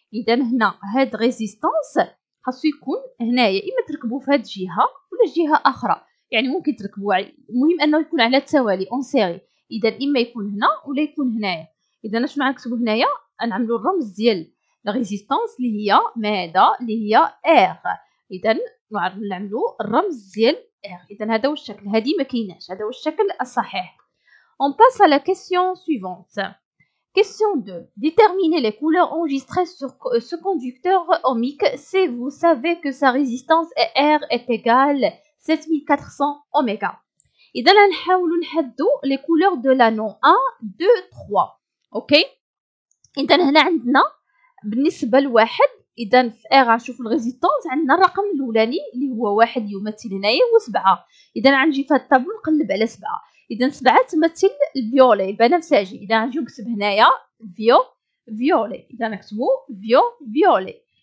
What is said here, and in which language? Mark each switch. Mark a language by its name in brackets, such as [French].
[Arabic] إذا هنا هاد ريزيستانس خاصو يكون هنايا، إما تركبو في هاد الجهة ولا جهة أخرى، يعني ممكن تركبو، المهم أنه يكون على التوالي [French] أون سيغي. [Arabic] إذا إما يكون هنا ولا يكون هنايا. إذا شنو غنكتبو هنايا؟ نعملو الرمز ديال الريزيستانس اللي هي ماذا؟ اللي هي R. اذا نعملو الرمز ديال R. اذا هذا هو الشكل، هذه ما كايناش، هذا هو الشكل الصحيح. [French] On passe à la question suivante. Question 2. Déterminez les couleurs enregistrées sur ce conducteur ohmique si vous savez que sa résistance est R est égale 7400 oméga. [Arabic] اذا نحاولو نحددو [French] les couleurs de l'anneau 1 2 3. [Arabic] اوكي؟ اذا هنا عندنا بالنسبه لواحد، اذا في ار غنشوف الريزيستانس، عندنا الرقم الاولاني اللي هو واحد يمثل هنايا هو 7. اذا غنجي في هاد الطابلو نقلب على 7. اذا 7 تمثل فيولي البنفسجي. اذا غنجي نكتب هنايا فيو فيولي. اذا نكتبو فيو فيولي.